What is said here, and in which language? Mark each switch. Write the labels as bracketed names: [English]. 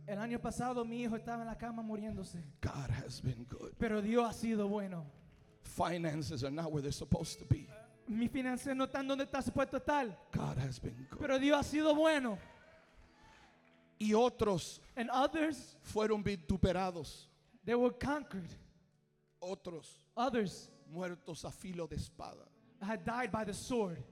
[Spanish] El año pasado mi hijo estaba en la cama muriéndose. [English] God has been good. [Spanish] Pero Dios ha sido bueno. [English] Finances are not where they're supposed to be. [Spanish] Mi financiero no está donde está supuesto estar. [English] God has been good. [Spanish] Pero Dios ha sido bueno. Y otros. [English] And others. [Spanish] Fueron vituperados. [English] They were conquered. [Spanish] Otros. [English] Others. [Spanish] Muertos a filo de espada. [English] Had died by the sword.